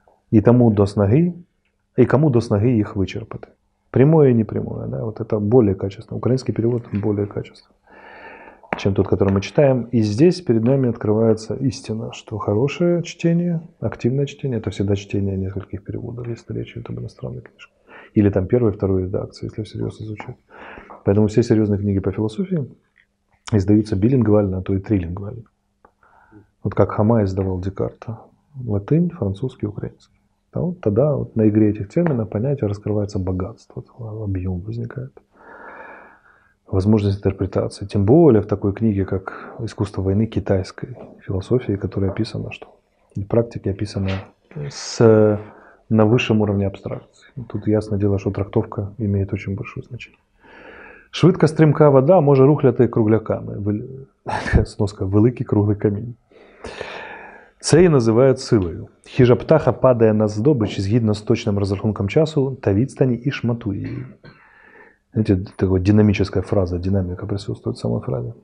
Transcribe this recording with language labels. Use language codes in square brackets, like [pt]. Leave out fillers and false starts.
[uk] І тому до снаги, і кому до снаги їх вичерпати. Прямое і непряме. Да? От це більш якісно. Український перевод більш якісно, ніж той, який ми читаємо. І тут перед нами відкривається істина, що хороше чтення, активне чтення, це завжди чтення нескольких переводів, якщо речі йде про іноземну книжку. [ru] Или там первая, вторая редакция, если всерьез изучать. Поэтому все серьезные книги по философии издаются билингвально, а то и трилингвально. Вот как Хама издавал Декарта. Латынь, французский, украинский. Да, вот тогда вот на игре этих терминов понятие раскрывается богатство, объем возникает. Возможность интерпретации. Тем более в такой книге, как «Искусство войны» китайской философии, которая описана, что в практике описана с... на высшем уровне абстракции. Тут ясно дело, что трактовка имеет очень большое значение. [uk] Швидка стрімка вода може рухляти кругляками. Сноска – великий круглий камінь. Це і називають силою. Хижа птаха падає на здобич згідно з точним розрахунком часу та відстані і шматує її. Знаєте, така динамічна фраза, динаміка присутствує в самій фразі.